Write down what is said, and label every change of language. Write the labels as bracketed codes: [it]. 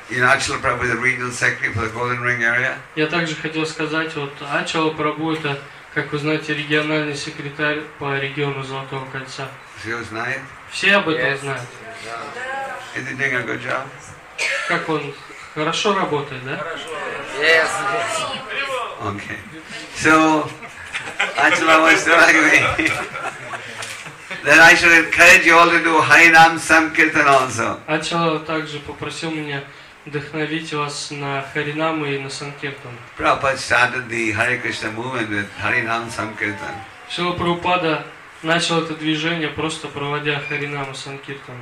[en] You know, Achala Prabhu is the regional secretary for the Golden Ring area. [ru] Я также хотел сказать, вот Achala Prabhu это, как вы знаете, региональный секретарь по региону Золотого Кольца. Все его знают? Все об этом знают. [en] Is he doing a good job? [ru] Как он? Хорошо работает, да? Хорошо. [en] Yes. Okay. So, Achala was telling me that I should encourage you all to do Harinam Sankirtan also. [ru] Achala также попросил меня вдохновить вас на Харинам и на Санкиртан. [en] Prabhupada started the Hare Krishna movement with Harinam Sankirtan. [ru] Шрила Прабхупада начал это движение, просто проводя Харинам и Санкиртан.